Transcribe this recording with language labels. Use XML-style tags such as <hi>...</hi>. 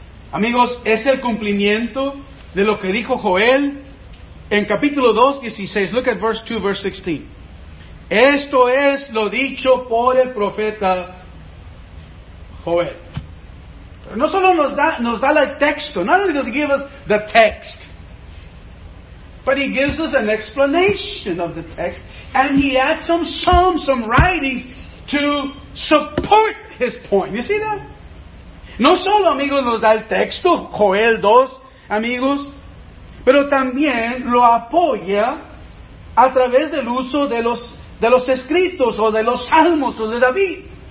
<es>Amigos, es el cumplimiento de lo que dijo Joel en capítulo 2, 16.</es> <en>Look at verse 2, verse 16.</en> <es>Esto es lo dicho por el profeta Joel. Pero no solo nos da el texto.</es> <en>Not only does he give us the text, but he gives us an explanation of the text, and he adds some psalms, some writings to support his point. You see that?</en> <es>No solo, amigos, nos da el texto, Joel 2, amigos, pero también lo apoya a través del uso de los escritos o de los salmos o de David.</es>